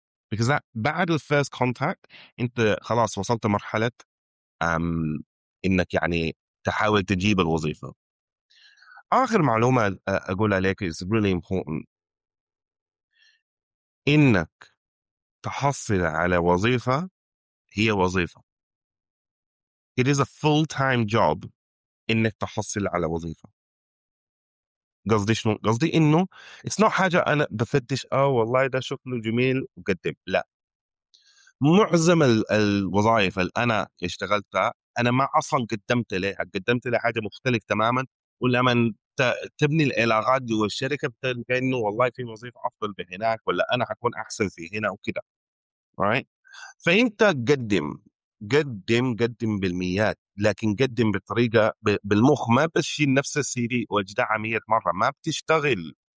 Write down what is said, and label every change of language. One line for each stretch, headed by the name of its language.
English: Because that,
Arabic: بعد الـ
English: first contact
Arabic: أنت خلاص وصلت مرحلة إنك يعني تحاول تجيب الوظيفة. آخر معلومة أقول عليك
English: is really important،
Arabic: إنك تحصل على وظيفة هي وظيفة.
English: It is a full-time job
Arabic: إنك تحصل على وظيفة. قصدي شنو؟ قصدي إنه
English: it's not
Arabic: حاجة أنا بفتش والله ده شكله جميل وقدم، لا. معظم الوظائف اللي أنا اشتغلتها أنا ما أصلاً قدمت لها، قدمت لها حاجة مختلف تماماً، ولما تبني العلاقات دي والشركة بتلقى إنه والله في وظيفة أفضل بهناك، ولا أنا حكون أحسن في هنا وكده،
English: right؟
Arabic: فأنت قدم قدم قدم بالميات، لكن قدم بطريقة بالمخ، ما بتشيل نفس السي في وجدع 100 مرة ما بتشتغل.